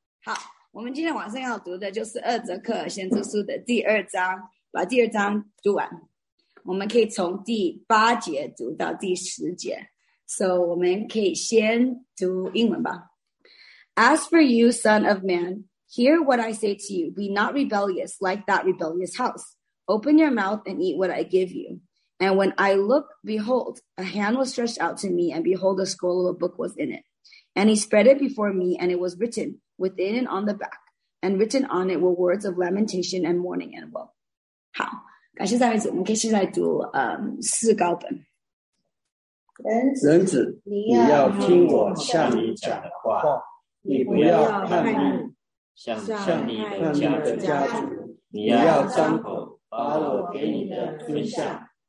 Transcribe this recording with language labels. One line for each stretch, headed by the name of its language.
Chinese: 好，我们今天晚上要读的就是厄泽克先知书的第二章，把第二章读完。我们可以从第8节读到第10节 ，so 我们可以先读英文吧。
English: As for you, son of man, hear what I say to you: be not rebellious like that rebellious house. Open your mouth and eat what I give you. And when I look, behold, a hand was stretched out to me, and behold, a scroll of a book was in it. And he spread it before me, and it was written within and on the back, and written on it were words of lamentation and mourning and woe.
Chinese: 好，感谢赞美主。我们可以现在读四高本。人子，你要听我向你讲的话，你不要叛逆，像你的家族，你要张口把我给你的吞下。